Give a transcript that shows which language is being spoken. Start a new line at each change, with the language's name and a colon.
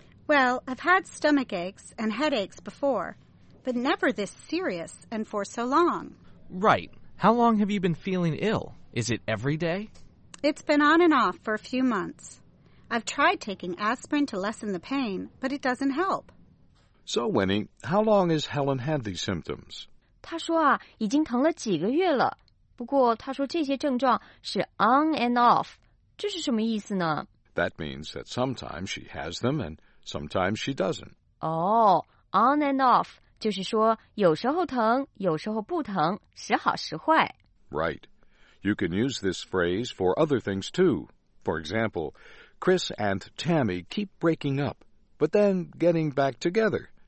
English: Well, I've had stomach aches and headaches before, but never this serious and for so long. Right. How long have you been feeling ill? Is it every day? It's been on and off for a few months. I've tried taking aspirin to lessen the pain, but it doesn't help. So, Winnie, how long has Helen had these symptoms?
Chinese: 她说啊，已经疼了几个月了。不过她说这些症状是 on and off， 这是什么意思呢？
English: That means that sometimes she has them and sometimes she doesn't.
Chinese: Oh, on and off 就是说有时候疼，有时候不疼，时好时坏。
English: Right. You can use this phrase for other things too. For example, Chris and Tammy keep breaking up, but then getting back together.